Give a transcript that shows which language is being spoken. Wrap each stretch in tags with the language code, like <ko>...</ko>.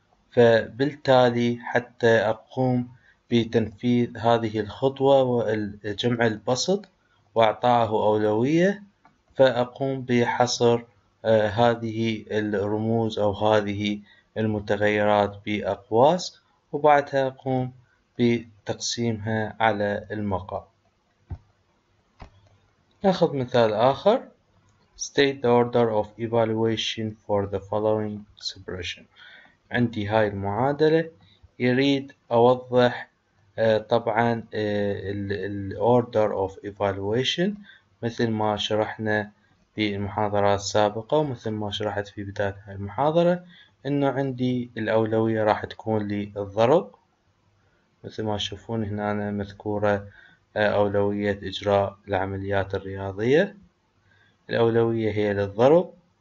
<ar>فبالتالي حتى أقوم بتنفيذ هذه الخطوة والجمع البسط وإعطائه أولوية، فأقوم بحصر هذه الرموز أو هذه المتغيرات بأقواس، وبعدها أقوم بتقسيمها على المقام. ناخذ مثال آخر.</ar> <en>State the order of evaluation for the following expression.</en> <ar>عندي هاي المعادلة، يريد أوضح طبعا الـ</ar> <en>order of evaluation</en> <ar>مثل ما شرحنا في المحاضرات السابقة، ومثل ما شرحت في بداية هاي المحاضرة انه عندي الاولوية راح تكون للضرب، مثل ما تشوفون هنا أنا مذكورة اولوية اجراء العمليات الرياضية، الاولوية هي للضرب،</ar>